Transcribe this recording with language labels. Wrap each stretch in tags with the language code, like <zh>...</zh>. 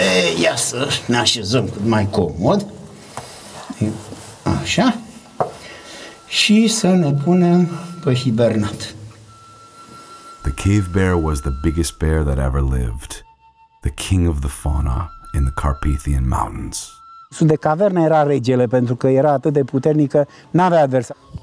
<ro>E, ia să ne așezăm cât mai comod. Așa. Și să ne punem pe hibernat.</ro> <en>The cave bear was the biggest bear that ever lived, the king of the fauna in the Carpathian Mountains.</en> <ro>Sub de cavernă era regele pentru că era atât de puternic că n-avea adversar.</ro>